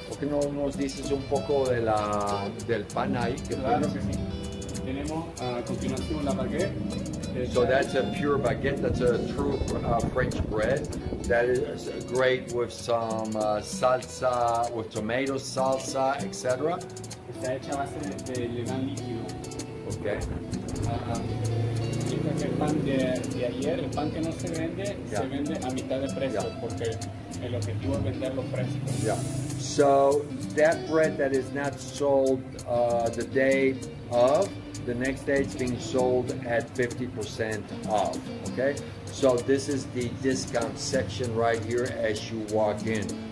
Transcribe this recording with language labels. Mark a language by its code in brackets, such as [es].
[es] ¿Por qué no nos dices un poco del pan ahí? Claro que sí. Tenemos a continuación la baguette. [en] So that's a pure baguette, that's a true French bread. That is great with some salsa, with tomato salsa, etc. [es] Está hecha a base de levain líquido. [en] Okay. [es] Dice que el pan de ayer, el pan que no se vende, yeah. Se vende a mitad de precio, yeah. Porque el objetivo es venderlo fresco. [en] Yeah. So that bread that is not sold the day of, the next day it's being sold at 50% off, okay? So this is the discount section right here as you walk in.